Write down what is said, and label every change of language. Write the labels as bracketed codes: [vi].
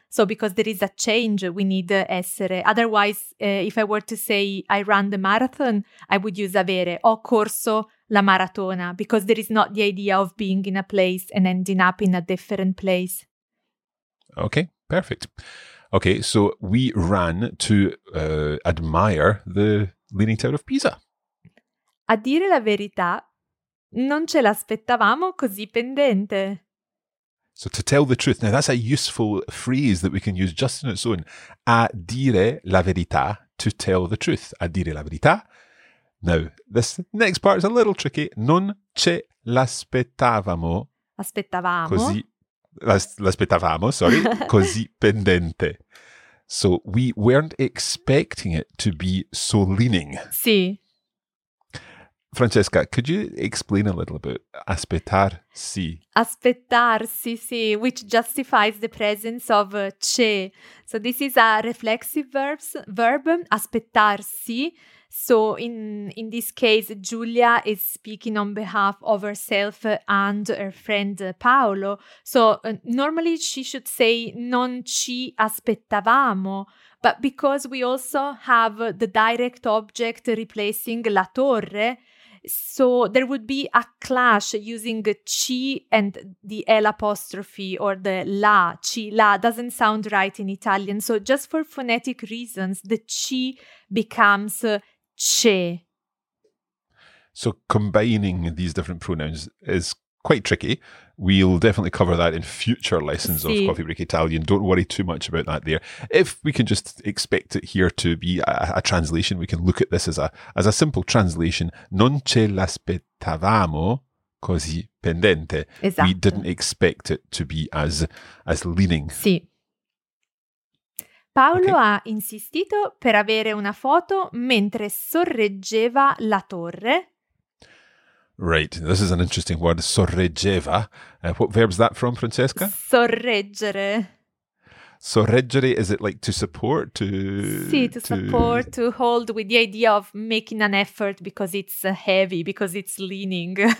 [en] So because there is a change, we need essere. Otherwise, if I were to say I run the marathon, I would use avere. [it] Ho corso la maratona, [en] because there is not the idea of being in a place and ending up in a different place. Okay, perfect. Okay, so we ran to admire the Leaning Tower of Pisa. [it] A dire la verità, non ce l'aspettavamo così pendente. [en] So to tell the truth. Now that's a useful phrase that we can use just on its own. [it] A dire la verità, [en] to tell the truth. [it] A dire la verità. [en] Now this next part is a little tricky. [it] Non ce l'aspettavamo. Aspettavamo. Così, l'aspettavamo, [en] sorry. [it] Così pendente. [en] So we weren't expecting it to be so leaning. [it] Sì. [en] Francesca, could you explain a little about aspettarsi? [it] Aspettarsi, sì, [en] which justifies the presence of ce. So this is a reflexive verb, aspettarsi. So in this case, Giulia is speaking on behalf of herself and her friend Paolo. So normally she should say non ci aspettavamo. But because we also have the direct object replacing la torre, so there would be a clash using ci and the L apostrophe or the la, ci, la doesn't sound right in Italian. So just for phonetic reasons, the ci becomes ce. So combining these different pronouns is quite tricky. We'll definitely cover that in future lessons [it] si. [en] Of Coffee Break Italian. Don't worry too much about that there. If we can just expect it here to be a translation, we can look at this as a simple translation. [it] Non ce l'aspettavamo così pendente. Esatto. [en] We didn't expect it to be as leaning. [it] Si. Paolo okay. ha insistito per avere una foto mentre sorreggeva la torre. [en] Right, this is an interesting word, sorreggeva. What verb is that from, Francesca? [it] Sorreggere. [en] Sorreggere, is it like to support? [it] Sì, [en] to support, to hold, with the idea of making an effort because it's heavy, because it's leaning.